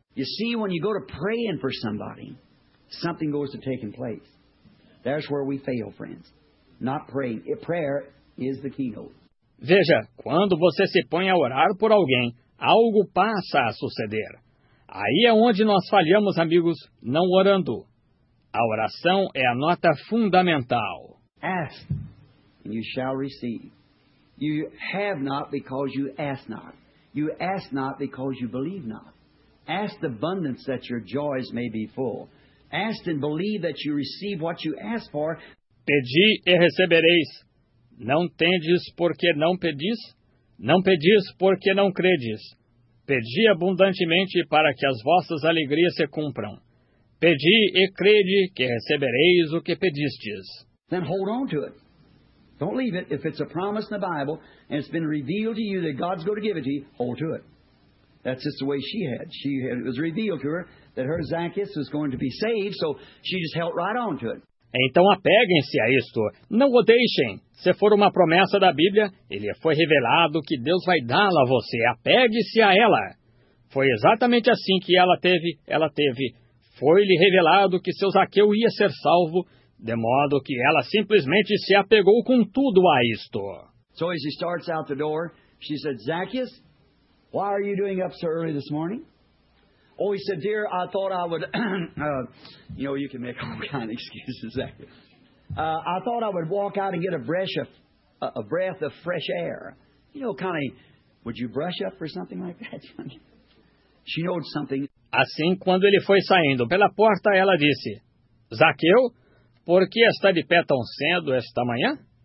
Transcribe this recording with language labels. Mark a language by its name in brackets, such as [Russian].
[English] You see, when you go to praying for somebody, something goes to taking place. That's where we fail, friends. Not praying. Prayer is the keynote. [Portuguese] Veja, quando você se põe a orar por alguém, algo passa a suceder. Aí é onde nós falhamos, amigos, não orando. A oração é a nota fundamental. [English] Ask, and you shall receive. You have not because you ask not. You ask not because you believe not. Ask the abundance that your joys may be full. Ask and believe that you receive what you ask for. [Portuguese] Pedi e recebereis. Não tendes porque não pedis? Não pedis porque não credes? Pedi abundantemente para que as vossas alegrias se cumpram. Pedi e crede que recebereis o que pedistes. [English] Then hold on to it. Don't leave it. If it's a promise in the Bible and it's been revealed to you that God's going to give it to you, hold to it. That's just the way she had. It was revealed to her that her Zacchaeus was going to be saved, so she just held right on to it. [Portuguese] Então apeguem-se a isto. Não o deixem. Se for uma promessa da Bíblia, ele foi revelado que Deus vai dá-la a você. Apegue-se a ela. Foi exatamente assim que ela teve. Foi-lhe revelado que seu Zaqueu ia ser salvo, de modo que ela simplesmente se apegou com tudo a isto. [English] So as he starts out the door, she said, Zacchaeus, why are you doing up so early this morning? Oh, he said, dear, I thought I would, you know, you can make all kinds of excuses, Zacchaeus. I thought I would walk out and get a breath of fresh air. You know, kind of, would you brush up or something like that? She knows something. [Portuguese] Assim, quando ele foi saindo pela porta, ela disse, Zaqueu, por que está de pé tão cedo esta manhã?